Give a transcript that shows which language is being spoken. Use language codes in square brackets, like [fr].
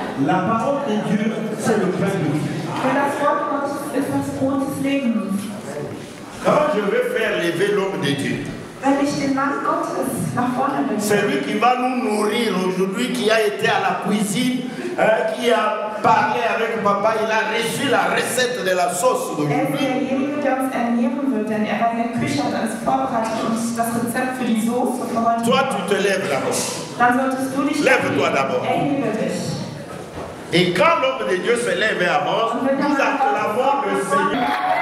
[fr] La parole de Dieu, c'est le pain de vie. [de] Denn das Wort Gottes ist das Brot des Lebens. [fr] Quand je vais faire lever l'homme de Dieu, [de] wenn ich den Mann Gottes nach vorne bringe, [fr] celui qui va nous nourrir aujourd'hui, qui a été à la cuisine, hein, qui a parlé avec papa, il a reçu la recette de la sauce d'aujourd'hui. [de] Er ist derjenige, der uns ernähren wird, denn er war in der Küche und hat uns das Rezept für die Soße vorbereitet. [fr] Toi, tu te lèves d'abord. [de] Dann solltest du dich [fr] lève-toi lèves d'abord. [de] Erhebe dich. [fr] Et quand l'homme de Dieu se lève et avance, nous acclamons le Seigneur.